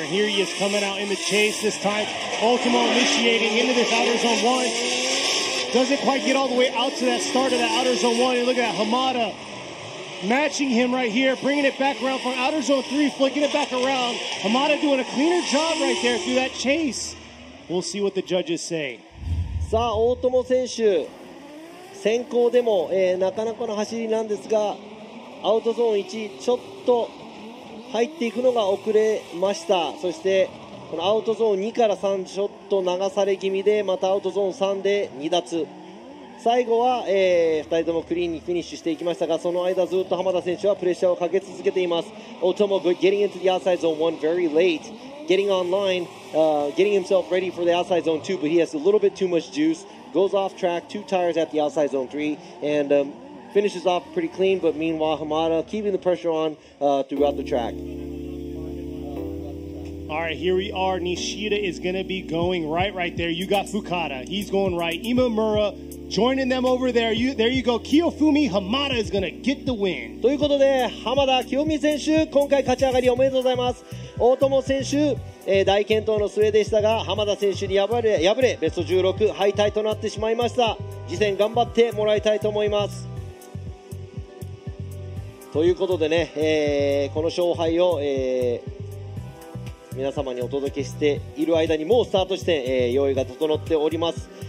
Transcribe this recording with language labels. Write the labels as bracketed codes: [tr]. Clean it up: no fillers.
[en] Here he is coming out in the chase this time. Otomo initiating into this outer zone one. Doesn't quite get all the way out to that start of the outer zone one. And look at that, Hamada. Matching him right here, bringing it back around from outer zone three, flicking it back around. Hamada doing a cleaner job right there through that chase. We'll see what the judges say. [ja] さあ、大友選手、先行でも、なかなかの走りなんですが、アウトゾーン1、ちょっと入っていくのが遅れました。そしてこのアウトゾーン2から3、ちょっと流され気味で、またアウトゾーン3で2脱。最後は、2人ともクリーンにフィニッシュしていきましたが、その間ずっと浜田選手はプレッシャーをかけ続けています。 [en] Otomo getting into the outside zone one very late, getting online, getting himself ready for the outside zone two, but he has a little bit too much juice, goes off track, two tires at the outside zone three, and、finishes off pretty clean, but meanwhile Hamada keeping the pressure on、throughout the track. All right, here we are. Nishida is going to be going right there. You got Fukada. He's going right. Imamura joining them over there. There you go. Kiyofumi Hamada is going to get the win. [ja] ということで、Hamada Kiyofumi 選手、今回勝ち上がりおめでとうございます。大友選手、大健闘の末でしたが、浜田選手に敗れ、ベスト16敗退となってしまいました。次戦頑張ってもらいたいと思います。ということでね、この勝敗を、皆様にお届けしている間にもうスタート地点、用意が整っております。